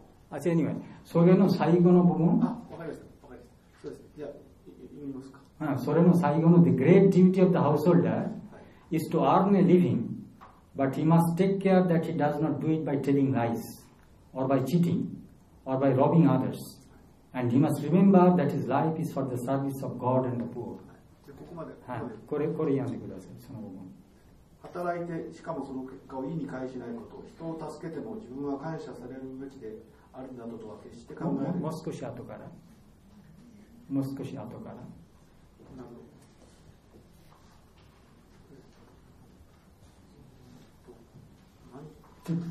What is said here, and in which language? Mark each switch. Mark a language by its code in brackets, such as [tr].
[ja] あ、違う、それの最後の部分？あ、わかりました。わかりました。そうです。じゃあ、読みますか。ああ、それの最後の [en] The great duty of the householder、はい、is to earn a living, but he must take care that he does not do it by telling lies or by cheating. Or by robbing others, and he must remember that his life is for the service of God and the poor. [ja] ここまで。はい。これ読んでください。その部分。働いて、しかもその結果を意に返しないこと、人を助けても自分は感謝されるべきであるなどとは決して考えない。もう少し後から。もう少し後から。なるほど。